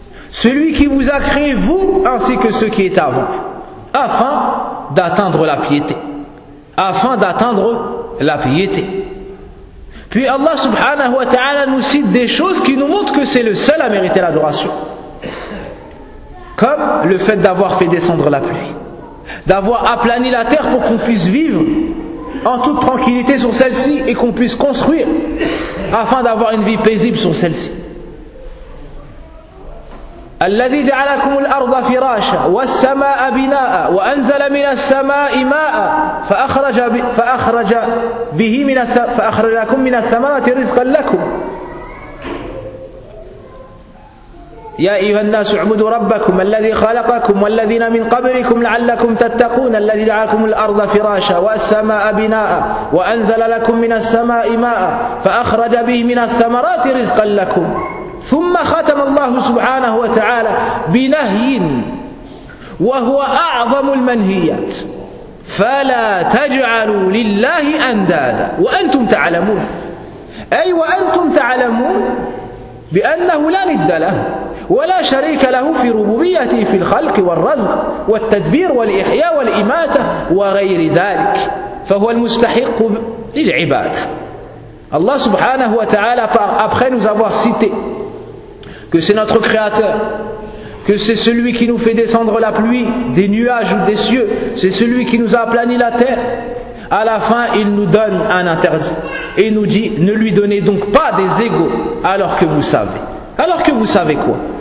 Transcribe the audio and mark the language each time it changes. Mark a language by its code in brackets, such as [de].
[fr] celui qui vous a créé, vous ainsi que ceux qui étaient avant, afin d'atteindre la piété, afin d'atteindre la piété. » Puis Allah [ar] subhanahu wa ta'ala [fr] nous cite des choses qui nous montrent que c'est le seul à mériter l'adoration. Comme le fait d'avoir fait descendre la pluie, d'avoir aplani la terre pour qu'on puisse vivre en toute tranquillité sur celle-ci et qu'on puisse construire afin d'avoir une vie paisible sur celle-ci. [ar] الذي جعلكم الأرض فراشا والسماء بناء وأنزل من السماء ماء فأخرج به من فأخرج لكم من الثمرات رزقا لكم يا أيها الناس اعبدوا ربكم الذي خلقكم والذين من قبلكم لعلكم تتقون الذي جعلكم الأرض فراشا والسماء بناء وأنزل لكم من السماء ماء فأخرج به من الثمرات رزقا لكم. ثم ختم الله سبحانه وتعالى بنهي وهو أعظم المنهيات فلا تجعلوا لله أندادا وأنتم تعلمون. أي وأنتم تعلمون بأنه لا ند له ولا شريك له في ربوبيته في الخلق والرزق والتدبير والإحياء والإماتة وغير ذلك، فهو المستحق للعبادة. [fr] Allah [ar] subhanahu wa ta'ala, [fr] après nous avoir cité que c'est notre créateur, que c'est celui qui nous fait descendre la pluie, des nuages ou des cieux, c'est celui qui nous a aplani la terre, à la fin il nous donne un interdit et nous dit: ne lui donnez donc pas des égaux alors que vous savez. Alors que vous savez quoi?